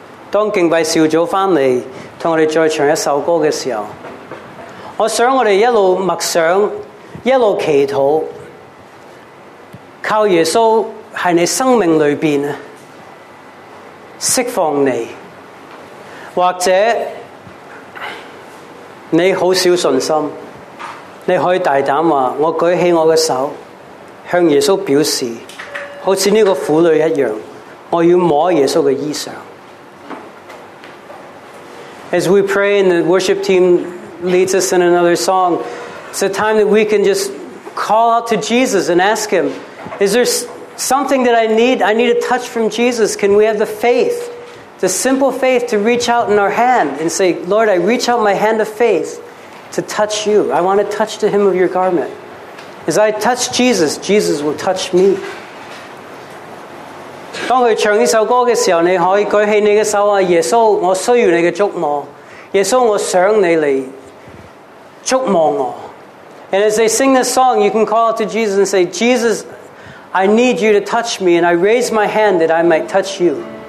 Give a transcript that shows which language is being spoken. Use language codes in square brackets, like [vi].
[zh] 当敬拜小组回来跟我们再唱一首歌的时候，我想我们一路默想，一路祈祷，靠耶稣在你生命里面释放你，或者你很少信心，你可以大胆说，我举起我的手向耶稣表示，好像这个妇女一样，我要摸耶稣的衣裳。 [en] As we pray and the worship team leads us in another song, it's a time that we can just call out to Jesus and ask Him, is there something that I need? I need a touch from Jesus. Can we have the faith, the simple faith to reach out in our hand and say, Lord, I reach out my hand of faith to touch you. I want to touch the hem of your garment. As I touch Jesus, Jesus will touch me. [zh] 当他唱这首歌的时候，你可以举起你的手，耶稣，我需要你的触摸。耶稣，我想你来触摸我。 [en] And as they sing this song, you can call out to Jesus and say, Jesus, I need you to touch me, and I raise my hand that I might touch you.